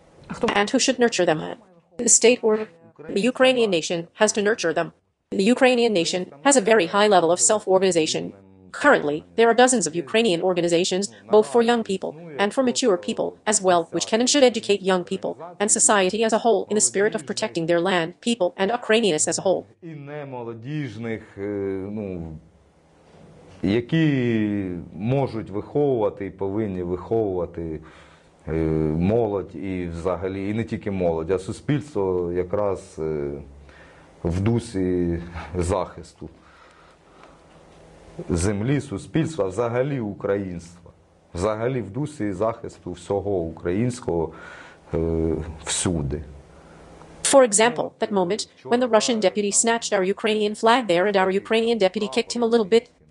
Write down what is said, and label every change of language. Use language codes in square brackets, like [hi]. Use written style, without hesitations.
[en] And who should nurture them? The state or the Ukrainian nation has to nurture them. The Ukrainian nation has a very high level of self-organization. Currently, there are dozens of Ukrainian organizations, both for young people and for mature people as well, which can and should educate young people and society as a whole in the spirit of protecting their land, people, and Ukrainians as a whole. [uk] І немолодіжних, ну, які можуть виховувати і повинні виховувати молодь і взагалі, і не тільки молодь, а суспільство якраз в дусі захисту землі, суспільства, взагалі українства. Взагалі в дусі захисту всього українського всюди. [en] For example, that moment when the Russian deputy snatched our Ukrainian flag there and our Ukrainian deputy kicked him a little bit.